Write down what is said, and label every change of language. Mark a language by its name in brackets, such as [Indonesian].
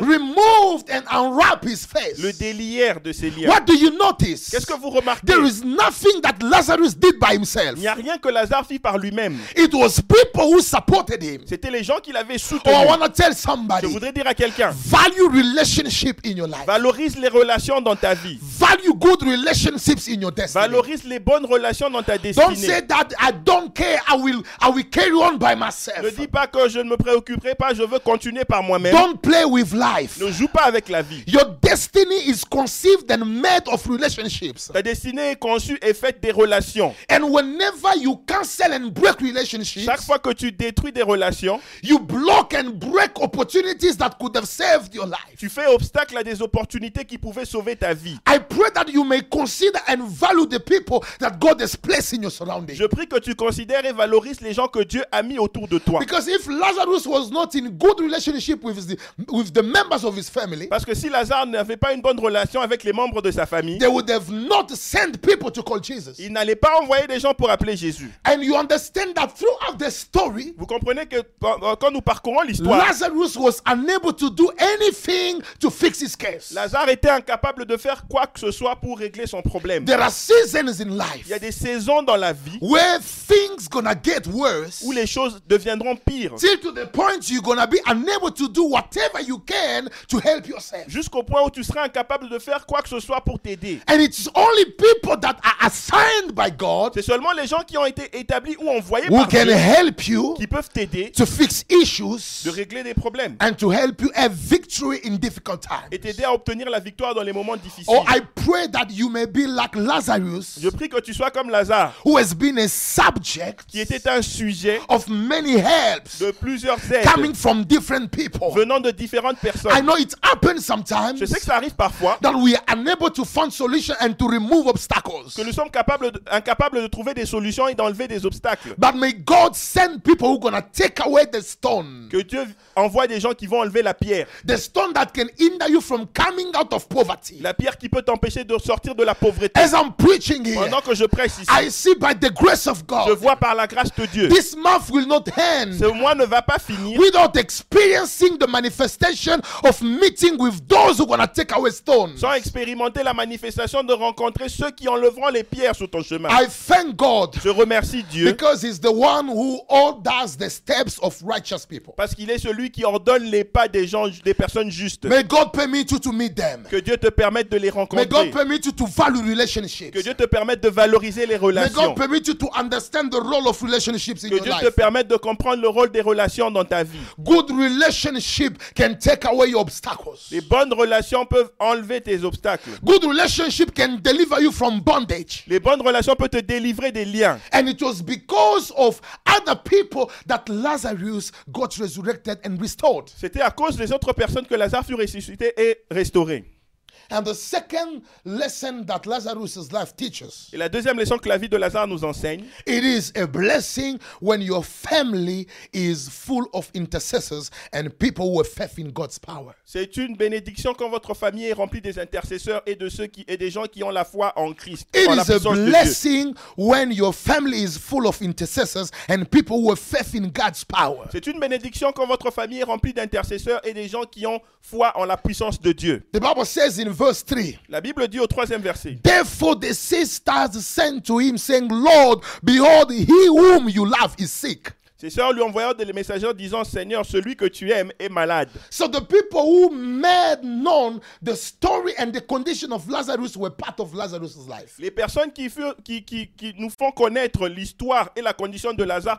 [English] removed and unwrapped his face. [French] Le délièrent de ses liens. [English] What do you notice? [French] Qu'est-ce que vous remarquez? [English] There is nothing that Lazarus did by himself. [French] Il n'y a rien que Lazare fit par lui-même. [English] It was people who supported him. [French] C'était les gens qui l'avaient soutenu. [English] Oh, I want to tell somebody. [French] Je voudrais dire à quelqu'un. [English] Value relationship in your life. [French] Valorise les relations dans ta vie. [English] Value good relationships in your destiny. [French] Valorise les bonnes relations dans ta destinée. [English] Don't say that I don't care. I will carry on by myself. [French] Ne dis pas que je ne me préoccuperai pas. Je veux continuer par moi-même. [English] Don't play with life. [French] Ne joue pas avec la vie. [English] Your destiny is conceived and made of relationships. [French] Ta destinée est conçue et faite des relations. [English] And whenever you cancel and break relationships, [French] chaque fois que tu détruis des relations, [English] you block and break opportunities that could have saved your life. [French] Tu fais obstacle à des opportunités qui pouvaient sauver ta vie. [English] I pray pray that you may consider and value the people that God has placed in your surroundings. [French] Je prie que tu considères et valorises les gens que Dieu a mis autour de toi. [English] Because if Lazarus was not in good relationship with the members of his family, [French] parce que si Lazare n'avait pas une bonne relation avec les membres de sa famille, [English] they would have not sent people to call Jesus. [French] Ils n'allaient pas envoyer des gens pour appeler Jésus. [English] And you understand that throughout the story, [French] vous comprenez que quand nous parcourons l'histoire, [English] Lazarus was unable to do anything to fix his case. [French] Lazare était incapable de faire quoi que ce soit pour régler son problème. [English] There are seasons in life. [French] Il y a des saisons dans la vie [English] where things gonna get worse. [French] Où les choses deviendront pires. [English] Till to the point you're gonna be unable to do whatever you can to help yourself. [French] Jusqu'au point où tu seras incapable de faire quoi que ce soit pour t'aider. [English] And it's only people that are assigned by God. [French] C'est seulement les gens qui ont été établis ou envoyés [English] who [French] par [English] can [French] Dieu [English] help you [French] qui peuvent t'aider [English] to fix issues. [French] De régler des problèmes. [English] And to help you have victory in difficult times. [French] Et t'aider à obtenir la victoire dans les moments difficiles. [English] Oh, I pray that you may be like Lazarus. [French] Je prie que tu sois comme Lazare. [English] Who has been a subject [French] qui était un sujet [English] of many helps [French] de plusieurs aides [English] coming from different people. [French] Venant de différentes personnes. [English] I know it happens sometimes. [French] Je sais que ça arrive parfois. [English] That we are unable to find solutions and to remove obstacles. [French] Que nous sommes incapables de trouver des solutions et d'enlever des obstacles. [English] But may God send people who are gonna take away the stone. [French] Que Dieu envoie des gens qui vont enlever la pierre. [English] The stone that can hinder you from coming out of poverty. [French] La pierre qui peut t'empêcher de sortir de la pauvreté. [English] As I'm preaching here, [French] pendant que je prêche ici, [English] I see by the grace of God, [French] je vois par la grâce de Dieu. [English] This month will not end. [French] Ce mois ne va pas finir. [English] Without experiencing the manifestation of meeting with those who are gonna take away stones. [French] Sans expérimenter la manifestation de rencontrer ceux qui enlèveront les pierres sur ton chemin. [English] I thank God. [French] Je remercie Dieu. [English] Because he's the one who orders the steps of righteous people. [French] Parce qu'il est celui qui ordonne les pas des gens, des personnes justes. [English] May God permit you to meet them. [French] Que Dieu te permette de les rencontrer. [English] May God permit you to value relationships. [French] Que Dieu te permette de valoriser les relations. [English] May God permit you to understand the role of relationships in your life. [French] Que Dieu te permette de comprendre le rôle des relations dans ta vie. [English] Good relationship can take away your obstacles. [French] Les bonnes relations peuvent enlever tes obstacles. [English] Good relationship can deliver you from bondage. [French] Les bonnes relations peuvent te délivrer des liens. [English] And it was because of other people that Lazarus got resurrected and restored. [French] C'était à cause des autres personnes que Lazare fut ressuscité et restauré. [English] And the second lesson that Lazarus's life teaches. [French] Et la deuxième leçon que la vie de Lazare nous enseigne. [English] It is a blessing when your family is full of intercessors and people who have faith in God's power. [French] C'est une bénédiction quand votre famille est remplie des intercesseurs et de ceux qui et des gens qui ont la foi en Christ. [English] It is a blessing when your family is full of intercessors and people who have faith in God's power. [French] C'est une bénédiction quand votre famille est remplie d'intercesseurs et des gens qui ont foi en la puissance de Dieu. [English] The Bible says in verse 3. [French] La Bible dit au troisième verset. [English] Therefore the sisters sent to him saying, Lord, behold, he whom you love is sick. [French] Ses sœurs lui envoyèrent des messagers disant, Seigneur, celui que tu aimes est malade. [English] So the people who made known the story and the condition of Lazarus were part of Lazarus's life. [French] Les personnes qui nous font connaître l'histoire et la condition de Lazare,